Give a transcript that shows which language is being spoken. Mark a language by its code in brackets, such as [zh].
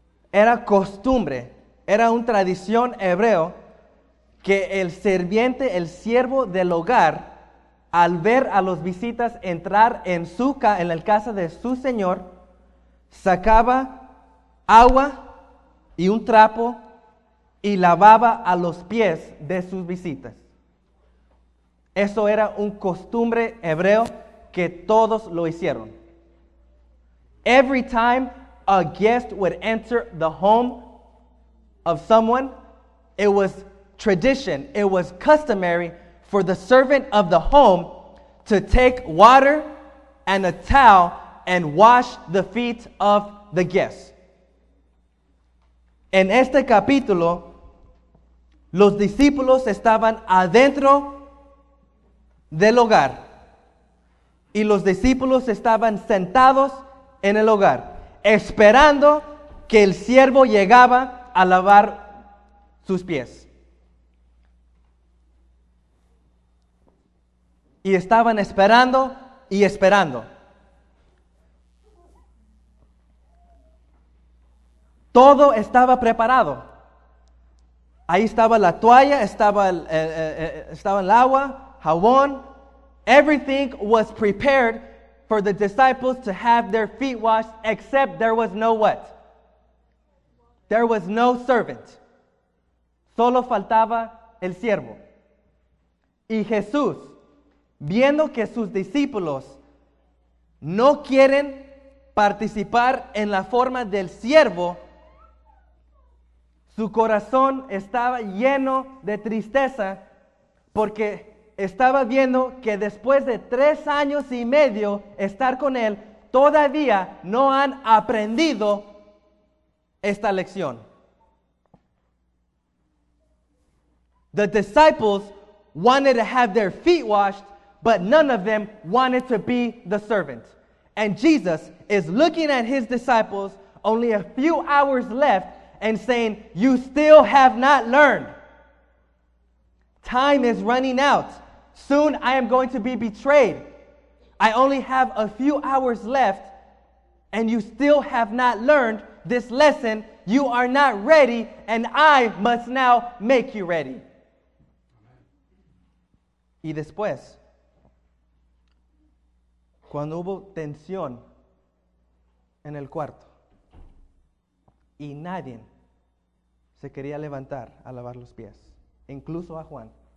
[es] era costumbre, era una tradición hebreo que el sirviente, el siervo del hogar, al ver a los visitas entrar en la casa de su señor, sacaba agua y un trapo y lavaba a los pies de sus visitas. Eso era un costumbre hebreo que todos lo hicieron. [en] Every time a guest would enter the home of someone, it was tradition, it was customary for the servant of the home to take water and a towel and wash the feet of the guest. [es] En este capítulo, los discípulos estaban adentro del hogar. Y los discípulos estaban sentados en el hogar, esperando que el siervo llegaba a lavar sus pies. Y estaban esperando y esperando. Todo estaba preparado. Ahí estaba la toalla, estaba el agua, jabón. [en] Everything was prepared for the disciples to have their feet washed, except there was no what? There was no servant. [es] Solo faltaba el siervo. Y Jesús, viendo que sus discípulos no quieren participar en la forma del siervo, su corazón estaba lleno de tristeza porque estaba viendo que después de 3 años y medio estar con él, todavía no han aprendido esta lección. [en] The disciples wanted to have their feet washed, but none of them wanted to be the servant. And Jesus is looking at his disciples only a few hours left and saying, "You still have not learned. Time is running out. Soon I am going to be betrayed. I only have a few hours left, and you still have not learned this lesson. You are not ready, and I must now make you ready." [es] Y después, cuando hubo tensión en el cuarto, y nadie se quería levantar a lavar los pies, incluso a Juan.